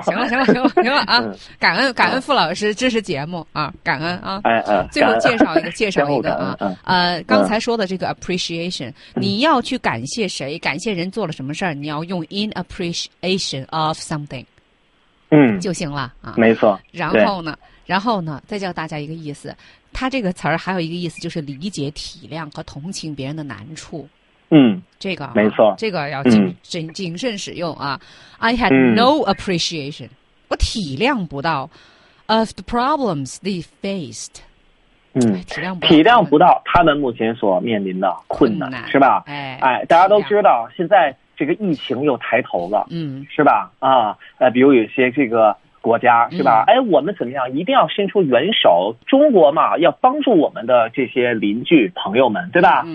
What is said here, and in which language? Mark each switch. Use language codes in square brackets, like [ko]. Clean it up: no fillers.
[zh] 行了啊，感恩傅老师支持节目啊，感恩啊，最后介绍一个啊，刚才说的这个 appreciation， 你要去感谢谁，感谢人做了什么事儿，你要用 [en] in appreciation of something。 [zh] 就行了啊，没错。然后呢，再教大家一个意思，它这个词儿还有一个意思就是理解、体谅和同情别人的难处。这个、没错，这个要谨慎使用啊。 [en] I had no appreciation， [zh] 我体谅不到 [en] of the problems they faced。 [zh] 体谅不到他们目前所面临的困难是吧？哎，大家都知道现在这个疫情又抬头了，是吧？啊，比如有些这个国家是吧？哎，我们怎么样？一定要伸出援手，中国嘛，要帮助我们的这些邻居朋友们，对吧？